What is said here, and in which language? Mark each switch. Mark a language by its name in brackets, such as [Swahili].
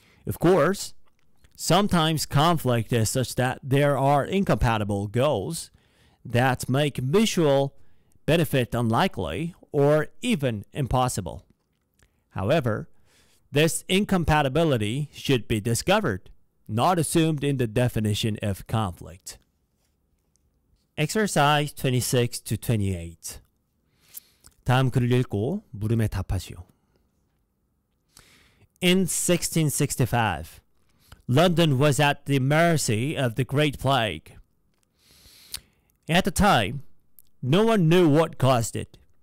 [English] Of course, sometimes conflict is such that there are incompatible goals that make mutual benefit unlikely or even impossible. However, this incompatibility should be discovered, not assumed in the definition of conflict. Exercise 26 to 28. [Korean] 다음 글을 읽고 물음에 답하시오. [English] In 1665, London was at the mercy of the Great Plague. At the time, no one knew what caused it.